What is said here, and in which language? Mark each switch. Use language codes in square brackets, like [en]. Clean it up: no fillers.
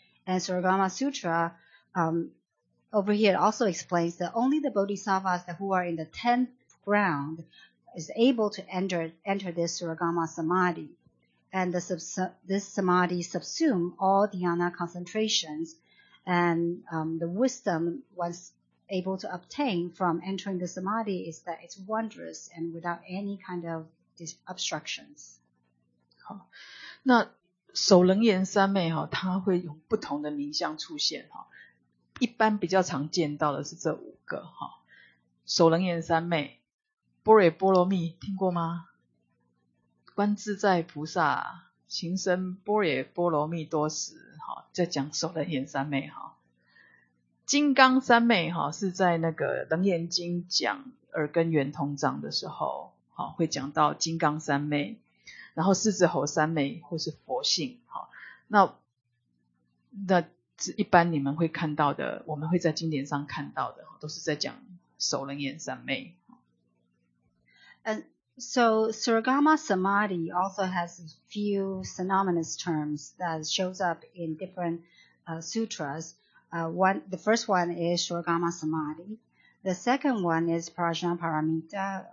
[en] And Suragama Sutra, over here, it also explains that only the bodhisattvas who are in the 10th ground is able to enter this Suragama Samadhi. And this Samadhi subsume all dhyana concentrations, and the wisdom one's able to obtain from entering the Samadhi is that it's wondrous and without any kind of obstructions. [zh] 好，那首楞严三昧它会有不同的名相出现，一般比较常见到的是这五个，首楞严三昧，般若波罗蜜听过吗？观自在菩萨行深般若波罗蜜多时，在讲首楞严三昧。金刚三昧是在那个楞严经讲耳根圆通藏的时候会讲到金刚三昧，然后狮子吼三昧或是佛性，那一般你们会看到的，我们会在经典上看到的，都是在讲首楞严三昧。 [en] And so Suragama Samadhi also has a few synonymous terms that shows up in different sutras. The first one is Suragama Samadhi. The second one is Prajnaparamita.